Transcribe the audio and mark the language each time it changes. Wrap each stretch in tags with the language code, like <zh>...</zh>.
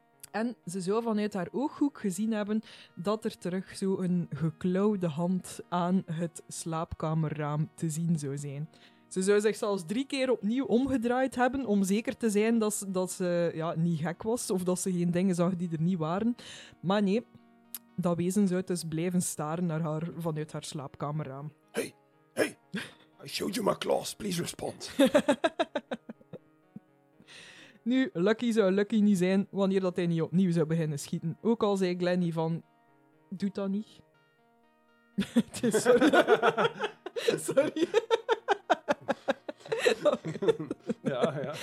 <nl>En ze zou vanuit haar ooghoek gezien hebben dat er terug zo'n geklauwde hand aan het slaapkamerraam te zien zou zijn. Ze zou zich zelfs 3 keer opnieuw omgedraaid hebben om zeker te zijn dat ze niet gek was of dat ze geen dingen zag die er niet waren. Maar nee, dat wezen zou dus blijven staren naar haar vanuit haar slaapkamerraam.</nl> <en>Hey, I showed you my claws, please respond.</en> <nl>Nu, Lucky zou Lucky niet zijn wanneer dat hij niet opnieuw zou beginnen schieten. Ook al zei Glennie van... Doet dat niet. Sorry. Sorry. Ja.</nl>